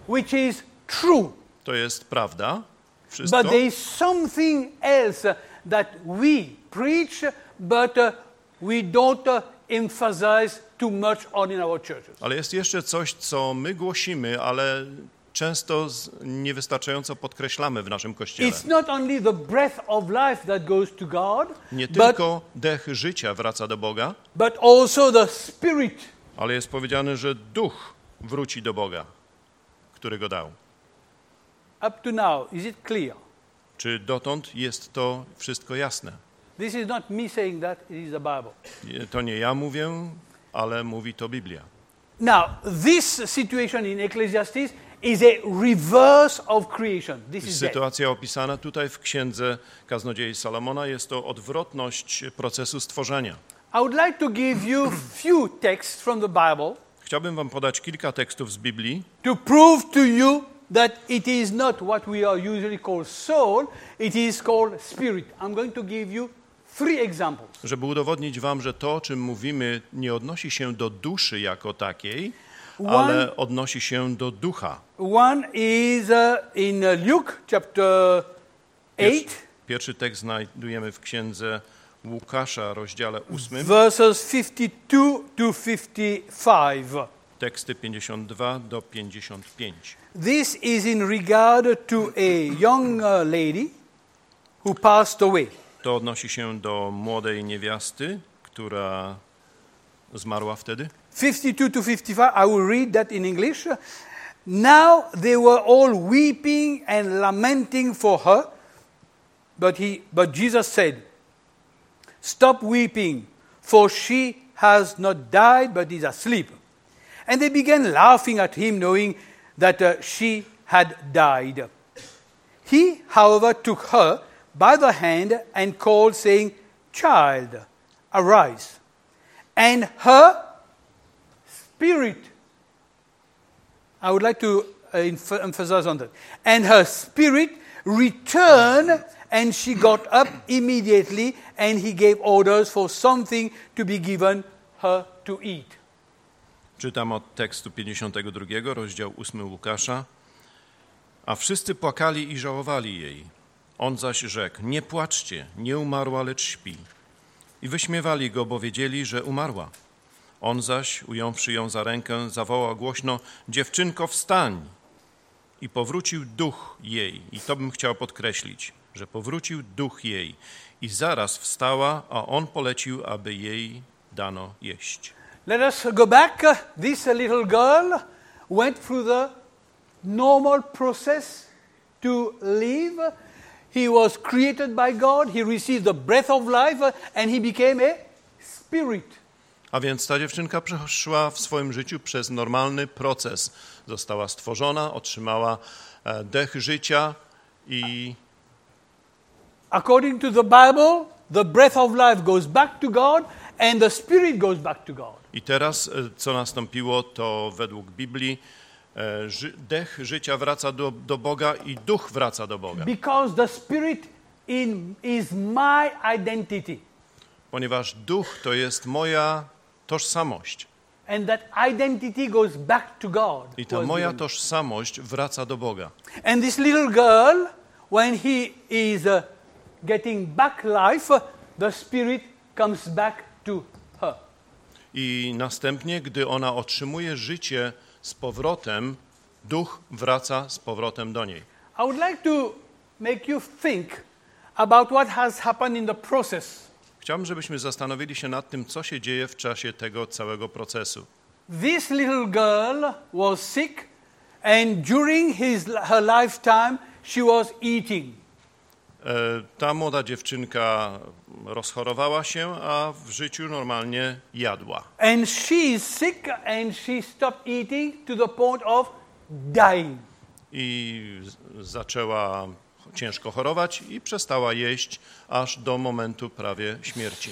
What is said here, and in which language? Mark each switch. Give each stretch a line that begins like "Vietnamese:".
English: Which is true.
Polish: To jest prawda. Wszystko.
English: But there is something else that we preach, but we don't emphasize too much on in our churches.
Polish: Ale jest jeszcze coś, co my głosimy, ale często niewystarczająco podkreślamy w naszym kościele.
English: It's not only the breath of life that goes to God,
Polish: nie tylko dech życia wraca do Boga,
English: but also the spirit.
Polish: Ale jest powiedziane, że duch wróci do Boga, który go dał.
English: Up to now, is it clear?
Polish: Czy dotąd jest to wszystko jasne?
English: This is not me saying that, it is the Bible.
Polish: To nie ja mówię, ale mówi to Biblia.
English: Now, this situation in Ecclesiastes is a reverse of creation. This is
Polish: sytuacja opisana tutaj w Księdze Kaznodziei Salomona jest to odwrotność procesu stworzenia.
English: I would like to give you few texts from the Bible.
Polish: Chciałbym wam podać kilka tekstów z Biblii.
English: To prove to you that it is not what we are usually called soul, it is called spirit. I'm going to give you three examples.
Polish: Żeby udowodnić wam, że to, o czym mówimy, nie odnosi się do duszy jako takiej, ale odnosi się do ducha.
English: One is in Luke chapter 8.
Polish: Pierwszy tekst znajdujemy w Księdze Łukasza, rozdziale 8.
English: Verses 52 to 55.
Polish: Teksty 52 do 55.
English: This is in regard to a young lady who passed away.
Polish: To odnosi się do młodej niewiasty, która zmarła wtedy.
English: 52 to 55, I will read that in English. Now they were all weeping and lamenting for her, but Jesus said, stop weeping, for she has not died, but is asleep. And they began laughing at him, knowing that she had died. He, however, took her by the hand and called, saying, child, arise. And her spirit, I would like to emphasize on that, and her spirit returned, and she got up immediately, and he gave orders for something to be given her to eat.
Polish: Czytam od tekstu 52, rozdział 8 Łukasza. A wszyscy płakali i żałowali jej. On zaś rzekł, nie płaczcie, nie umarła, lecz śpi. I wyśmiewali go, bo wiedzieli, że umarła. On zaś, ująwszy ją za rękę, zawołał głośno, dziewczynko, wstań! I powrócił duch jej. I to bym chciał podkreślić, że powrócił duch jej. I zaraz wstała, a on polecił, aby jej dano jeść.
English: Let us go back. This little girl went through the normal process to live. He was created by God. He received the breath of life and he became a spirit.
Polish: A więc ta dziewczynka przeszła w swoim życiu przez normalny proces. Została stworzona, otrzymała dech życia i...
English: According to the Bible, the breath of life goes back to God and the spirit goes back to God.
Polish: I teraz, co nastąpiło, to według Biblii dech życia wraca do Boga i duch wraca do Boga.
English: Because the spirit in is my identity.
Polish: Ponieważ duch to jest moja tożsamość.
English: And that identity goes back to God.
Polish: I ta moja tożsamość wraca do Boga.
English: And this little girl, when he is getting back life, the spirit comes back to her.
Polish: I następnie, gdy ona otrzymuje życie z powrotem, duch wraca z powrotem do niej.
English: I would like to make you think about what has happened in the process.
Polish: Chciałbym, żebyśmy zastanowili się nad tym, co się dzieje w czasie tego całego procesu.
English: This little girl was sick and during her lifetime she was eating.
Polish: Ta młoda dziewczynka rozchorowała się, a w życiu normalnie jadła.
English: And she is sick and she stopped eating to the point of dying.
Polish: I zaczęła ciężko chorować i przestała jeść aż do momentu prawie śmierci.